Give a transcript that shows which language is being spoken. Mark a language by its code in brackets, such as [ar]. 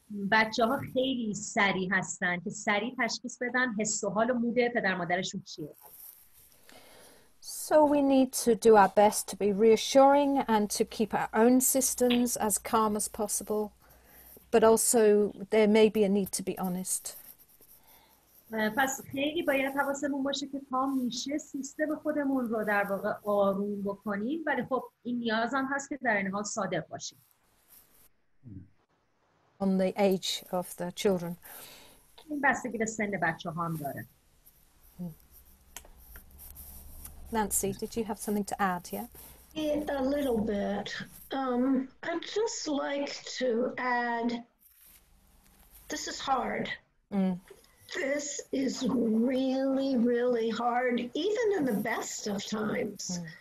[fa] بچه‌ها خیلی سریع هستن که سریع تشخیص بدن حس و حال و مود پدر مادرشون چیه. [en] So we need to do our best to be reassuring and to keep our own systems as calm as possible, but also there may be a need to be honest. [fa] پس خیلی باید حواسمون باشه که کام میشه سیستم خودمون رو در واقع آروم بکنیم ولی خب این نیاز هم هست که در این حال صادق باشیم. [en] On the age of the children. [fa] این بستگی به سن بچه ها هم داره. [en] Nancy, did you have something to add, yeah? Yeah, a little bit. I'd just like to add, this is hard. This is really, really hard, even in the best of times.